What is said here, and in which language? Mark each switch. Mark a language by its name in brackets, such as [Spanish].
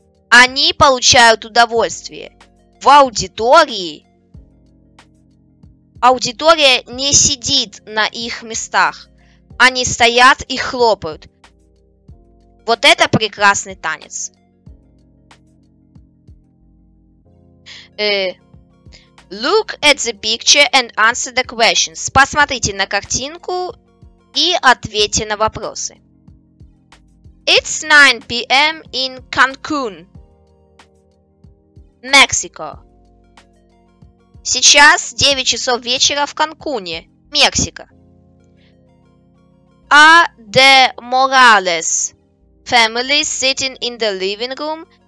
[Russian] Они получают удовольствие. В аудитории... Аудитория не сидит на их местах. Они стоят и хлопают. В Вот это прекрасный танец. [English] Look at the picture and answer the questions. [Russian] Посмотрите на картинку и ответьте на вопросы. [English] It's 9 p.m. in Cancun, Mexico. [Russian] Сейчас 9 часов вечера в Канкуне, Мексика. [English] Are the Morales family sitting in the living room?